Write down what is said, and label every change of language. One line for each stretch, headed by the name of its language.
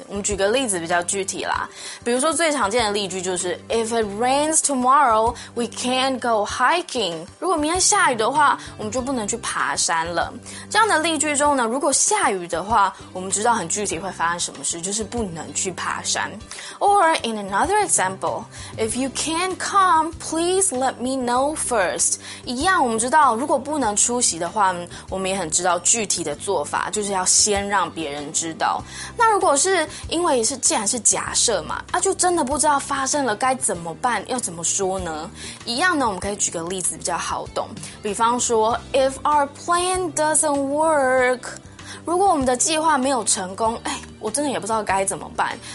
Chinese: 我们举个例子比较具体啦，比如说最常见的例句就是
English: If it rains tomorrow, we can't go hiking.
Chinese: 如果明天下雨的话，我们就不能去爬山了。这样的例句中呢，如果下雨的话，我们知道很具体会发生什么事，就是不能去爬山。
English: Or in another example, If you can't come, please let me know first.
Chinese: 一样，我们知道如果不能出席的话，我们也很知道具体的做法，就是要先让别人知道。那如果是因为是既然是假设嘛，那就真的不知道发生了该怎么办，要怎么说呢？一样呢，我们可以举个例子比较好懂。比方说 ，
English: If our plan doesn't work，
Chinese: 如果我们的计划没有成功，哎，我真的也不知道该怎么办。